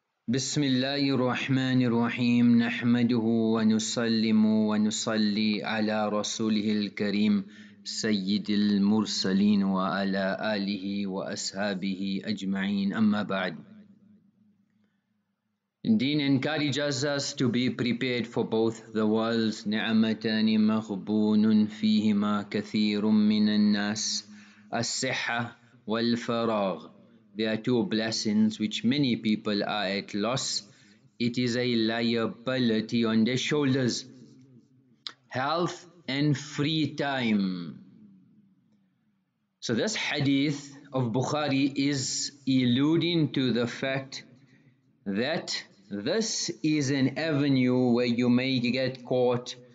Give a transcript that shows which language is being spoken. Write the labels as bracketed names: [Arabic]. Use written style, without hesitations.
[Arabic] بسم الله الرحمن الرحيم نحمده ونسلم ونصلي على رسوله الكريم سيد المرسلين وعلى آله وأصحابه أجمعين أما بعد. [English] Deen encourages us to be prepared for both the worlds. [Arabic] نعمتان مغبون فيهما كثير من الناس الصحة والفراغ. [English] There are two blessings which many people are at loss. It is a liability on their shoulders. Health and free time. So this hadith of Bukhari is alluding to the fact that this is an avenue where you may get caught.